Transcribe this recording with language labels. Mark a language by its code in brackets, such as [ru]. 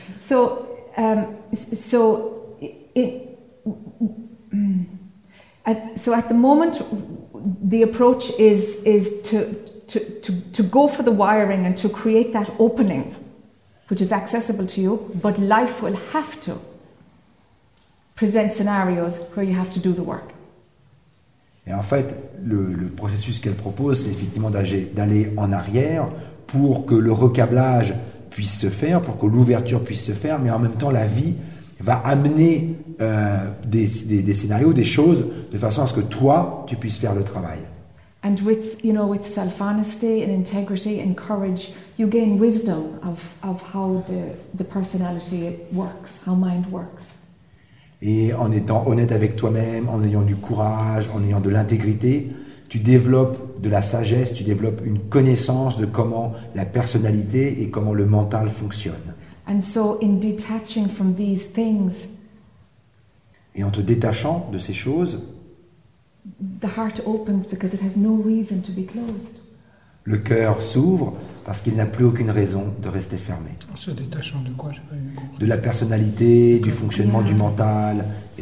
[en] So at the moment, the approach is to go for the wiring and to create that opening, which is accessible to you. But life will have to present scenarios where you have to do the work. [fr] Et en fait, le processus qu'elle propose, c'est effectivement d'aller en arrière pour que le recablage puisse se faire, pour que l'ouverture puisse se faire, mais en même temps, la vie va amener des scénarios, des choses, de façon à ce que toi, tu puisses faire le travail. [en] And with, you know, with self-honesty and integrity and courage, you gain wisdom of how the personality works, how mind works. [fr] Et en étant honnête avec toi-même, en ayant du courage, en ayant de l'intégrité, tu développes de la sagesse, tu développes une connaissance de comment la personnalité et comment le mental fonctionnent. [en] And so in detaching from these things, [fr] et en te détachant de ces choses, [en] the heart opens because it has no reason to be closed. [fr] Le cœur s'ouvre parce qu'il n'a plus aucune raison de rester fermé. En se détachant de quoi, j'ai pas eu de la personnalité, du fonctionnement du mental, et